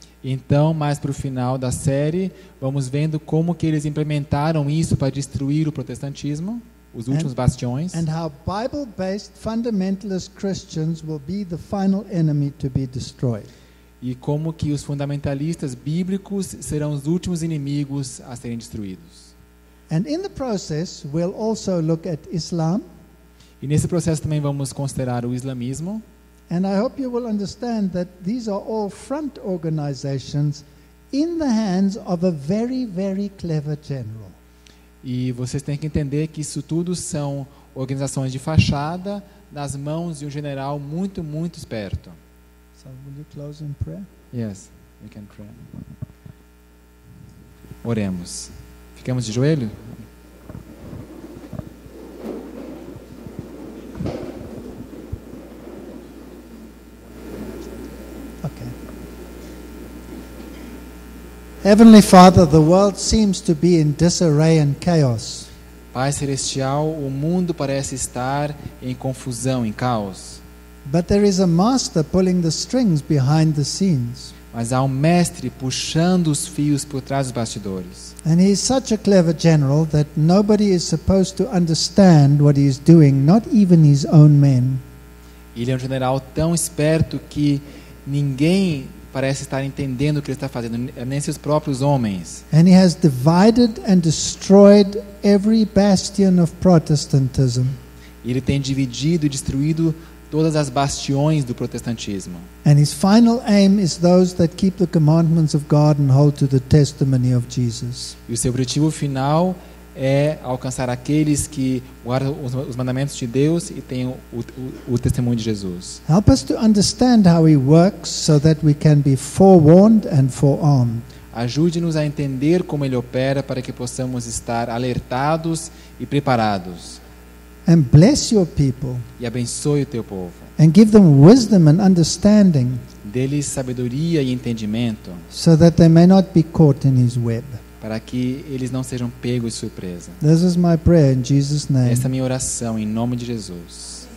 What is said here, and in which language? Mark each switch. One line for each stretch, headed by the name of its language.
Portuguese: Então, mais para o final da série, vamos vendo como que eles implementaram isso para destruir o protestantismo, os últimos bastiões.
English: And how Bible-based fundamentalist Christians will be the final enemy to be destroyed.
Portuguese: E como que os fundamentalistas bíblicos serão os últimos inimigos a serem destruídos.
English: And in the process, we'll also look at Islam.
Portuguese: E nesse processo também vamos considerar o islamismo.
English: And I hope you will understand that these are all front organizations in the hands of a very, very clever general.
Portuguese: E vocês têm que entender que isso tudo são organizações de fachada nas mãos de um general muito, muito esperto.
English: So will you close in prayer? Yes, we can pray.
Portuguese: Oremos. Ficamos de joelho?
English: Heavenly Father, the world seems to be in disarray and chaos.
Portuguese: Pai celestial, o mundo parece estar em confusão, em caos.
English: But there is a master pulling the strings behind the scenes.
Portuguese: Mas há um mestre puxando os fios por trás dos bastidores.
English: And he is such a clever general that nobody is supposed to understand what he is doing, not even his own men.
Portuguese: Ele é um general tão esperto que ninguém parece estar entendendo o que ele está fazendo, nem seus próprios homens.
English: And he has divided and destroyed every bastion of Protestantism.
Portuguese: Ele tem dividido e destruído todas as bastiões do protestantismo.
English: And his final aim is those that keep the commandments of God and hold to the testimony of Jesus.
Portuguese: E o seu objetivo final é alcançar aqueles que guardam os mandamentos de Deus e têm o testemunho de Jesus.
English: Help us to understand how he works so that we can be forewarned and forearmed.
Portuguese: Ajude-nos a entender como ele opera para que possamos estar alertados e preparados.
English: And bless your people.
Portuguese: E abençoe o teu povo.
English: And give them wisdom and understanding.
Portuguese: Dê-lhes sabedoria e entendimento.
English: So that they may not be caught in his web.
Portuguese: Para que eles não sejam pegos de surpresa.
English: This is my prayer in Jesus' name.
Portuguese: Esta é a minha oração em nome de Jesus.